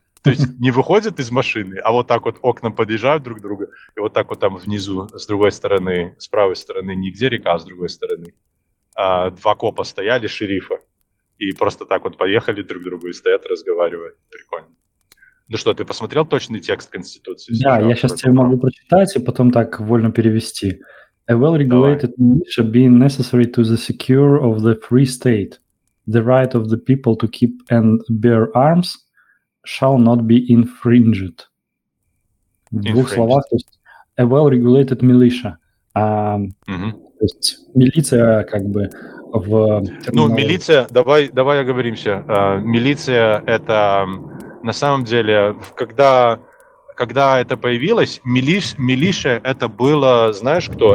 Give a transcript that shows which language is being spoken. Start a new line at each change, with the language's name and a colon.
Russian: То есть не выходят из машины, а вот так вот окна подъезжают друг к другу, и вот так вот там внизу, с другой стороны, с правой стороны, нигде река, а с другой стороны, два копа стояли, шерифа, и просто так вот поехали друг к другу и стоят, разговаривают. Прикольно. Ну что, ты посмотрел точный текст Конституции? Да, я сейчас тебе могу прочитать и потом так вольно перевести.
English: A well-regulated militia being necessary to the secure of the free state, the right of the people to keep and bear arms shall not be infringed.
Russian: В двух словах, то есть
English: a well-regulated militia.
Russian: То есть милиция как бы в... Ну, милиция, давай оговоримся. Милиция — это на самом деле, когда это появилось, милиция это было, знаешь кто?